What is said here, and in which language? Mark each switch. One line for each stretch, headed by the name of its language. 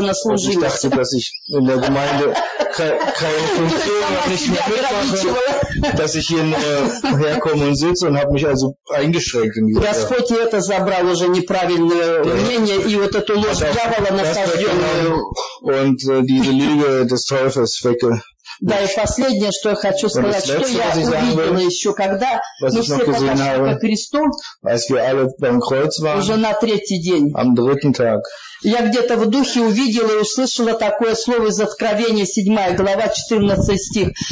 Russian: наслужиться. Господь это забрал уже неправильное мнение, и вот эту ложь дьявола насаждённую.
German: Und diese Lüge des Teufels wecke.
Russian: Да, и последнее, что я хочу сказать, что я увидела еще, когда мы все подошли ко кресту, уже на третий день, я где-то в духе увидела и услышала такое слово из Откровения, 7 глава, 14 стих.